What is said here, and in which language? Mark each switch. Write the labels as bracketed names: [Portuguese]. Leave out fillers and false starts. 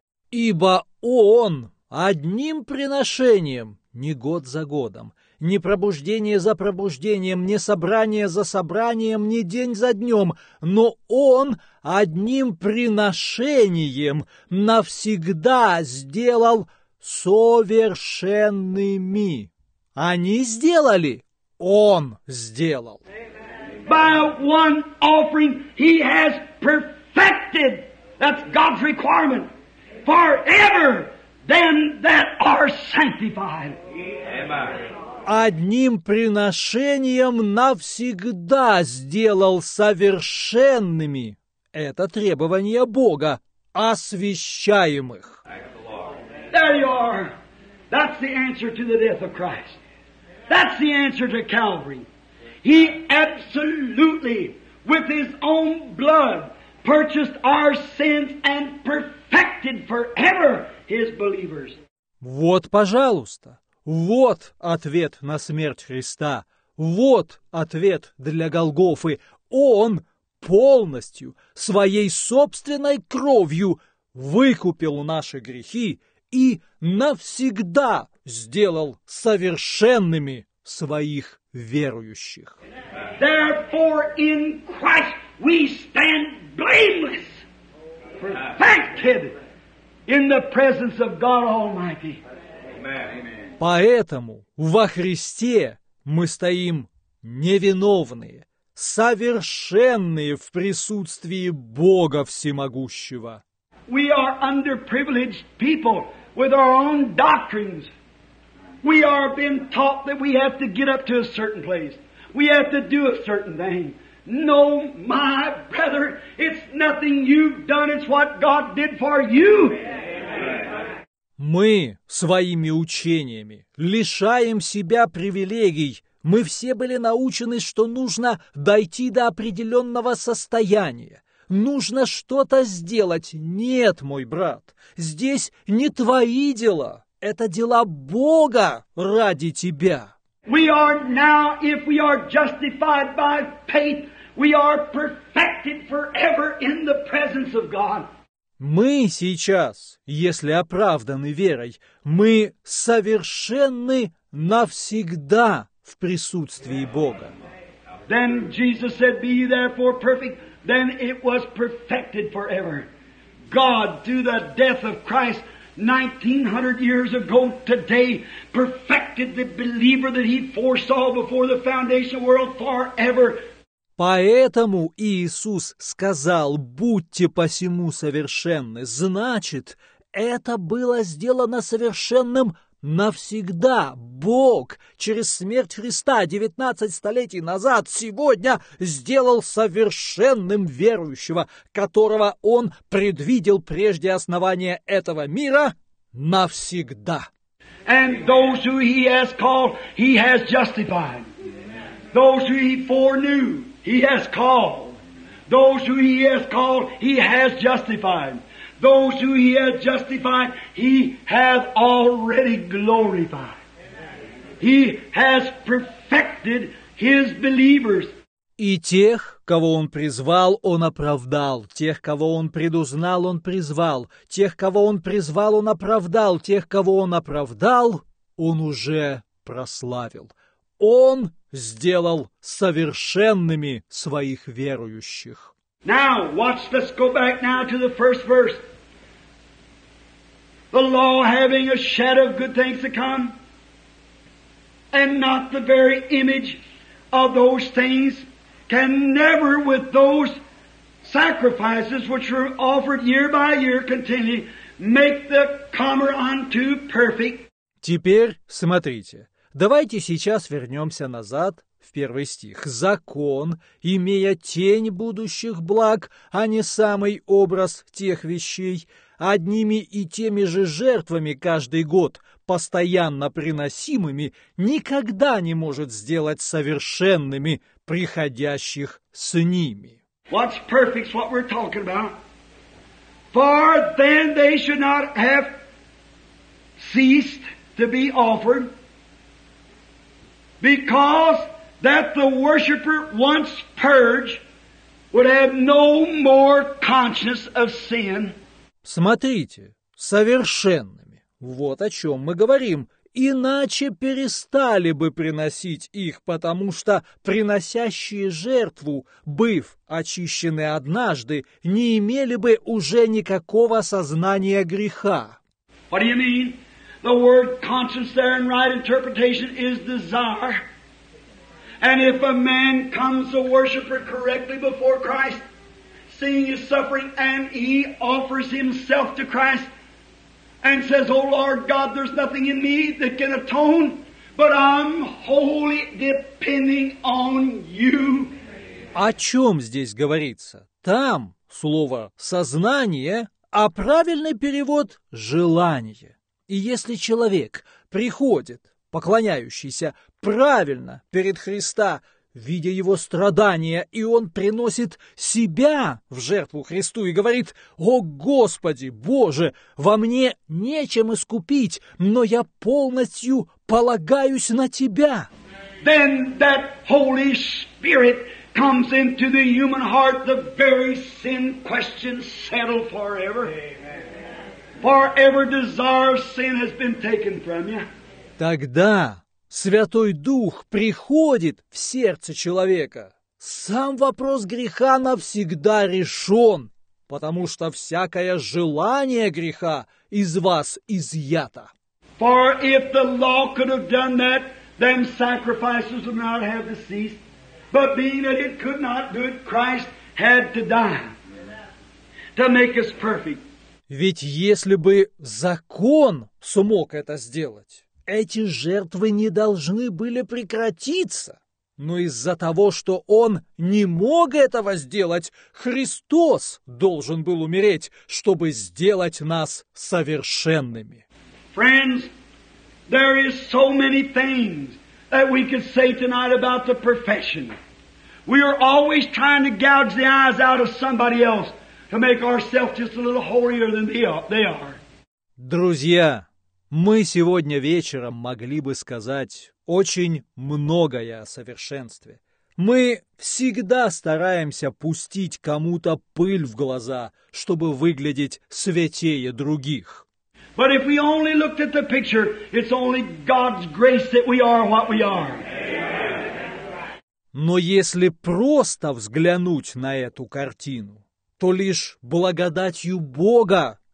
[Russian] Ибо он одним приношением, не год за годом, не пробуждение за пробуждением, не собрание за собранием, не день за днем, но он одним приношением навсегда сделал совершенными. Они сделали, он сделал. [English] By one offering he has perfected. That's God's requirement. Forever them that are sanctified. Amen. [Russian] Одним приношением навсегда сделал совершенными. Это требование Бога, освящаемых. [English] There you are. That's the answer to the death of Christ. That's the answer to Calvary. He absolutely, with his own blood, purchased our sins and perfected forever his believers. [Russian] Вот, пожалуйста, вот ответ на смерть Христа, вот ответ для Голгофы. Он полностью своей собственной кровью выкупил наши грехи и навсегда сделал совершенными своих верующих. [English] Therefore, in Christ we stand blameless, perfected in the presence of God Almighty. [Russian] Поэтому во Христе мы стоим невиновные, совершенные в присутствии Бога Всемогущего. [English] We are underprivileged people with our own doctrines. We are being taught that we have to get up to a certain place. We have to do a certain thing. No, my brother, it's nothing you've done, it's what God did for you. [Russian] Мы своими учениями лишаем себя привилегий. Мы все были научены, что нужно дойти до определенного состояния. Нужно что-то сделать. Нет, мой брат, здесь не твои дела. Это дела Бога ради тебя. [English] We are now, if we are justified by faith, we are perfected forever in the presence of God. [Russian] Мы сейчас, если оправданы верой, мы совершенны навсегда в присутствии Бога. [English] Then Jesus said, be ye therefore perfect. Then it was perfected forever. God, through the death of Christ, 1900 years ago today perfected the believer that he foresaw before the foundation world forever. [Russian] Поэтому Иисус сказал: «Будьте посему совершенны». Значит, это было сделано совершенным навсегда. Бог через смерть Христа 19 столетий назад сегодня сделал совершенным верующего, которого Он предвидел прежде основания этого мира навсегда. [English] And those who He has called, He has justified. Those who He foreknew, He has called. Those who He has called, He has justified. Those who He has justified, He has already glorified. He has perfected His believers. [Russian] И тех, кого Он призвал, Он оправдал. Тех, кого Он предузнал, Он призвал. Тех, кого Он призвал, Он оправдал. Тех, кого Он оправдал, Он уже прославил. Он сделал совершенными Своих верующих. [English] Now, watch, let's go back now to the first verse. The law having a shadow of good things to come, and not the very image of those things, can never with those sacrifices which were offered year by year continually make the comer unto perfect. [Russian] Теперь смотрите. Давайте сейчас вернемся назад в первый стих. Закон, имея тень будущих благ, а не самый образ тех вещей, одними и теми же жертвами каждый год, постоянно приносимыми, никогда не может сделать совершенными приходящих с ними. [English] What's perfect is what we're talking about. For then they should not have ceased to be offered, because that the worshiper once purged would have no more conscience of sin. [Russian] Смотрите, совершенными. Вот о чем мы говорим. Иначе перестали бы приносить их, потому что приносящие жертву, быв очищены однажды, не имели бы уже никакого сознания греха. [English] What do you mean? The word conscience there in right interpretation is desire. And if a man comes to worship correctly before Christ, seeing his suffering, and he offers himself to Christ and says, O Lord God, there's nothing in me that can atone, but I'm wholly depending on you. [Russian] О чем здесь говорится? Там слово «сознание», а правильный перевод – «желание». И если человек приходит, поклоняющийся правильно перед Христа, видя его страдания, и он приносит себя в жертву Христу и говорит: «О Господи, Боже, во мне нечем искупить, но я полностью полагаюсь на Тебя». [English] Then that Holy Spirit comes into the human heart, the very sin question settled forever. Forever desire of sin has been taken from you. [Russian] Тогда Святой Дух приходит в сердце человека. Сам вопрос греха навсегда решен, потому что всякое желание греха из вас изъято. [English] For if the law could have done that, then sacrifices would not have ceased. But being that it could not do it, Christ had to die to make us perfect. [Russian] Ведь если бы закон смог это сделать, эти жертвы не должны были прекратиться. Но из-за того, что Он не мог этого сделать, Христос должен был умереть, чтобы сделать нас совершенными. [English] Friends, there is so many things that we could say tonight about the profession. We are always trying to gouge the eyes out of somebody else to make ourselves just a little holier than they are. [Russian] Друзья, мы сегодня вечером могли бы сказать очень многое о совершенстве. Мы всегда стараемся пустить кому-то пыль в глаза, чтобы выглядеть святее других. [English] But if we only looked at the picture, it's only God's grace that we are what we are. [Russian] Но если просто взглянуть на эту картину, то лишь благодатью Бога